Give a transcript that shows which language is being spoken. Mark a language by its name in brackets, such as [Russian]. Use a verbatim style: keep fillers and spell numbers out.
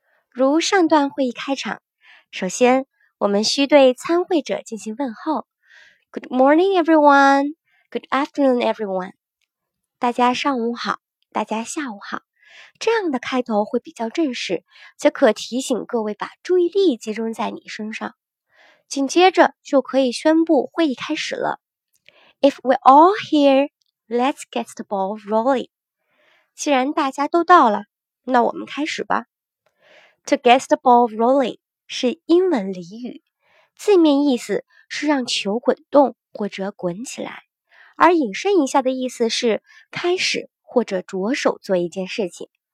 [Chinese] 如上段会议开场，首先我们需对参会者进行问候。 [English] Good morning, everyone. Good afternoon, everyone. [Chinese] 大家上午好，大家下午好。这样的开头会比较正式，且可提醒各位把注意力集中在你身上。紧接着就可以宣布会议开始了。 [English] If we're all here, let's get the ball rolling. [Chinese] 既然大家都到了，那我们开始吧。 [English] To get the ball rolling [Chinese] 是英文俚语，字面意思是让球滚动或者滚起来，而引申一下的意思是开始或者着手做一件事情。